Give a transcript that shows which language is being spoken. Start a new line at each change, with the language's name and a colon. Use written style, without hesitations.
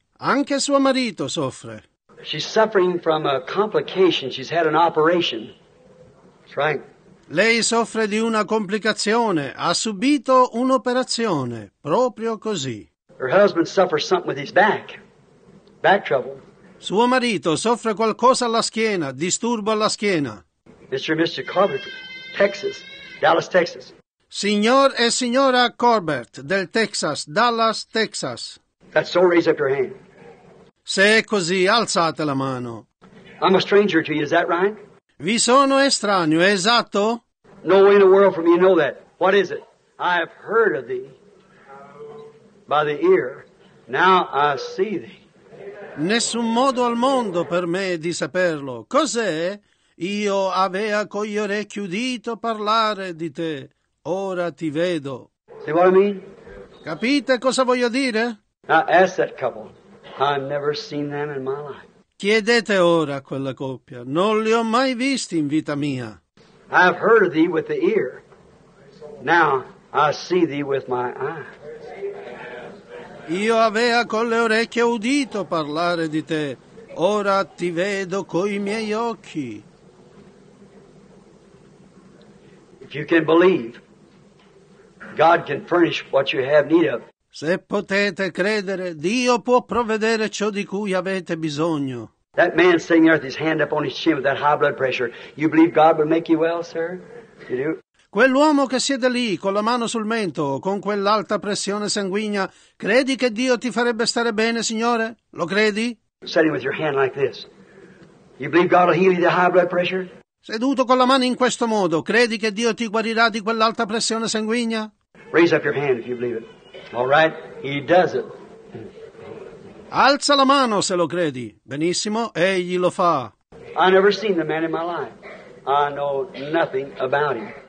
Italian: Anche suo marito soffre.
English: She's suffering from a complication. She's had an operation. That's right.
Italian: Lei soffre di una complicazione, ha subito un'operazione, proprio così.
English: Her husband suffers something with his back. Back trouble.
Italian: Suo marito soffre qualcosa alla schiena, disturbo alla schiena.
English: Mr. and Mrs. Corbett, Texas, Dallas, Texas.
Italian: Signor e signora Corbett, del Texas, Dallas, Texas.
English: That's so, raise up your hand.
Italian: Se è così, alzate la mano.
English: I'm a stranger to you, is that right?
Italian: Vi sono estraneo, è esatto?
English: No way in the world for me to know that. What is it? I have heard of thee by the ear. Now I see thee.
Italian: Nessun modo al mondo per me di saperlo. Cos'è? Io avea con gli orecchi udito parlare di te. Ora ti vedo.
English: See what I mean?
Italian: Capite cosa voglio dire?
English: Now ask that couple. I've never seen them in my life.
Italian: Chiedete ora a quella coppia. Non li ho mai visti in vita mia.
English: I have heard of thee with the ear. Now I see thee with my eye.
Italian: Io avea con le orecchie udito parlare di te. Ora ti vedo coi miei occhi.
English: If you can believe, God can furnish what you have need of.
Italian: Se potete credere, Dio può provvedere ciò di cui avete bisogno.
English: That man sitting there with his hand up on his chin with that high blood pressure, you believe God will make you well, sir? You do?
Italian: Quell'uomo che siede lì, con la mano sul mento, con quell'alta pressione sanguigna, credi che Dio ti farebbe stare bene, signore? Lo credi?
English: Sitting with your hand like this, you believe God will heal you the high blood pressure?
Italian: Seduto con la mano in questo modo, credi che Dio ti guarirà di quell'alta pressione sanguigna?
English: Raise up your hand if you believe it. All right, he does it.
Italian: Alza la mano se lo credi. Benissimo, egli lo fa.
English: I've never seen the man in my life. I know nothing about him.